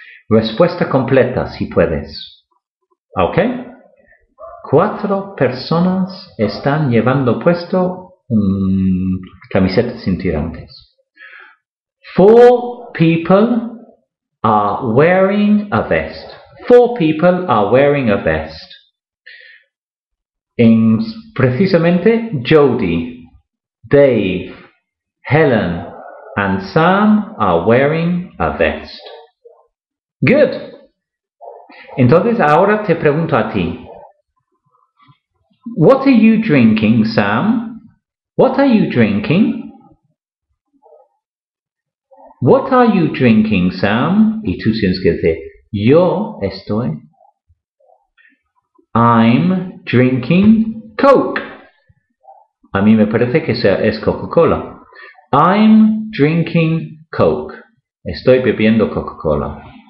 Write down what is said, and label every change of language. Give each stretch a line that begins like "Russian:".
Spanish: Respuesta completa, si puedes. ¿Ok? Cuatro personas están llevando puesto camisetas sin tirantes.
English: Four people are wearing a vest. Four people are wearing a vest. Precisamente, Jody, Dave, Helen, and Sam are wearing a vest. Good.
Spanish: Entonces, ahora te pregunto a ti.
English: What are you drinking, Sam? What are you drinking? What are you drinking, Sam?
Spanish: Y tú tienes que decir, yo estoy.
English: I'm drinking Coke.
Spanish: A mí me parece que es Coca-Cola.
English: I'm drinking Coke.
Spanish: Estoy bebiendo Coca-Cola.